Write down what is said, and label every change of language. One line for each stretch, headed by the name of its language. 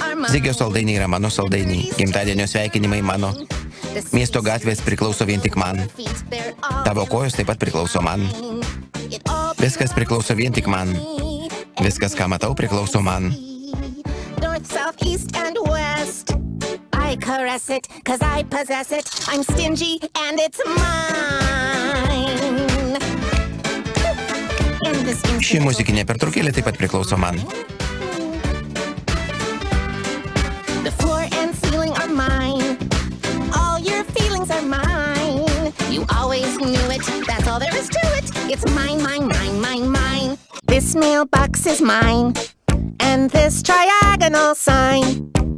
Lithuanian: Zigio saldainiai yra mano saldainiai, gimtadienio sveikinimai mano. Miesto gatvės priklauso vien tik man. Tavo kojos taip pat priklauso man. Viskas priklauso vien tik man. Viskas, ką matau, priklauso man.
English: North, south, east and west. I caress it, cause I possess it. I'm stingy and it's mine.
Lithuanian: Ši muzikinė pertraukėlė taip pat priklauso man.
English: The floor and ceiling are mine. All your feelings are mine. You always knew it, that's all there is to it. It's mine, mine, mine, mine, mine. This mailbox is mine, and this triagonal sign.